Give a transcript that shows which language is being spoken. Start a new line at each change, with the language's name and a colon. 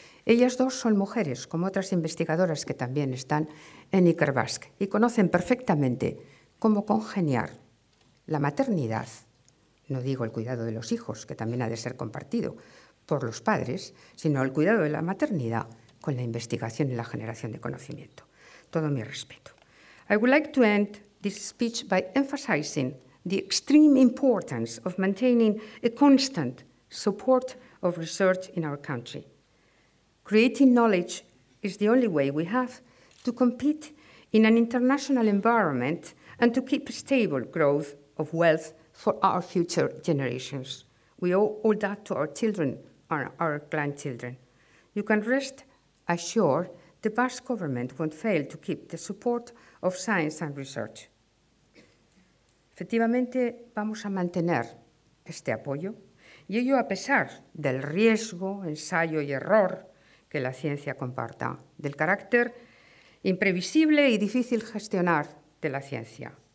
Spanish: Ellas dos son mujeres, como otras investigadoras que también están en Zikerbask y conocen perfectamente cómo congeniar la maternidad, no digo el cuidado de los hijos, que también ha de ser compartido por los padres, sino el cuidado de la maternidad con la investigación y la generación de conocimiento. Todo mi respeto.
English: I would like to end this speech by emphasizing the extreme importance of maintaining a constant support of research in our country. Creating knowledge is the only way we have to compete in an international environment and to keep stable growth of wealth for our future generations. We owe all that to our children, our grandchildren. You can rest assured the Basque government won't fail to keep the support of science and research.
Spanish: Efectivamente, vamos a mantener este apoyo, y ello a pesar del riesgo, ensayo y error que la ciencia comparta, del carácter imprevisible y difícil gestionar de la ciencia.